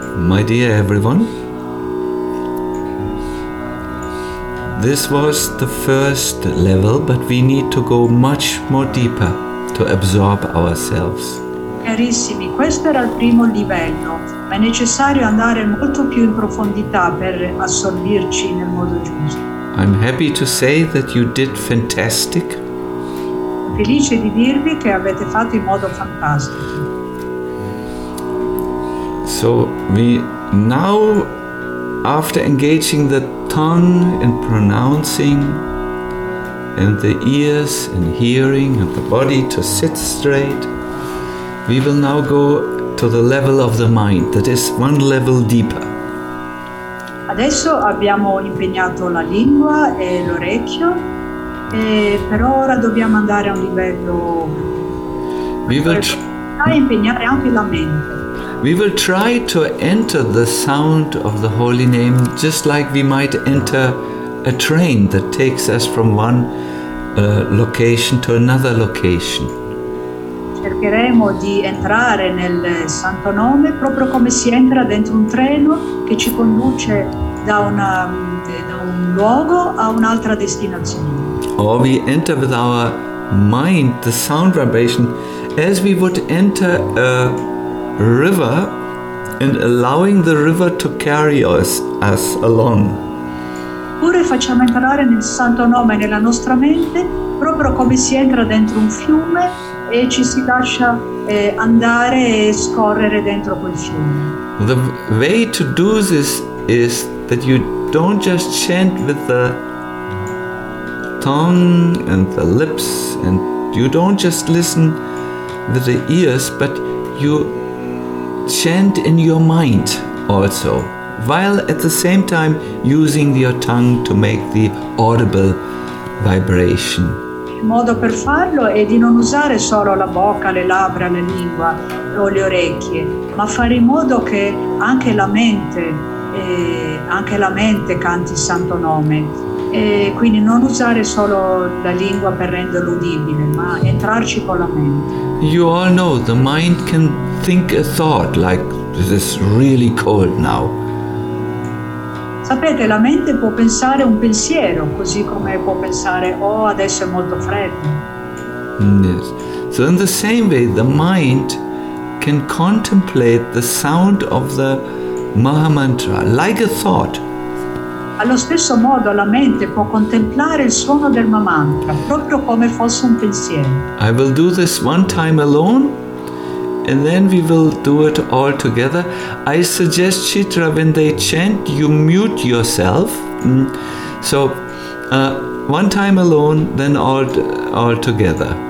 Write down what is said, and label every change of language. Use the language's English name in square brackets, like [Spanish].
[English] My dear everyone, this was the first level, but we need to go much more deeper to absorb ourselves. [Italian] Carissimi, questo era il primo livello, ma è necessario andare molto più in profondità per assorbirci nel modo giusto. [English] I'm happy to say that you did fantastic. [Italian] Felice di dirvi che avete fatto in modo fantastico. [English] So we now, after engaging the tongue in pronouncing, and the ears in hearing, and the body to sit straight, we will now go to the level of the mind, that is one level deeper. [Italian] Adesso abbiamo impegnato la lingua e l'orecchio, e per ora dobbiamo andare a un livello. [English] We will [Italian] impegnare anche la mente. [English] We will try to enter the sound of the holy name just like we might enter a train that takes us from one location to another location. [Italian] Cercheremo di entrare nel santo nome proprio come si entra dentro un treno che ci conduce da un luogo a un'altra destinazione. [English] Or we enter with our mind the sound vibration as we would enter a river and allowing the river to carry us along. [Italian] Pure facciamo entrare nel santo nome nella nostra mente proprio come si entra dentro un fiume e ci si lascia andare e scorrere dentro quel fiume. [English] The way to do this is that you don't just chant with the tongue and the lips, and you don't just listen with the ears, but you chant in your mind also, while at the same time using your tongue to make the audible vibration. [Italian] Il modo per farlo è di non usare solo la bocca, le labbra, la lingua o le orecchie, ma fare in modo che anche la mente canti il santo nome. E quindi non usare solo la lingua per renderlo udibile, ma entrarci con la mente. [English] You all know the mind can think a thought like this is really cold now. [Italian] Sapete, la mente può pensare un pensiero, così come può pensare oh, adesso è molto freddo. Yes. [English] So in the same way the mind can contemplate the sound of the Maha Mantra like a thought. [Italian] Allo stesso modo la mente può contemplare il suono del mantra proprio come fosse un pensiero. [English] I will do this one time alone and then we will do it all together. I suggest, Chitra, when they chant, you mute yourself. So, one time alone, then all together.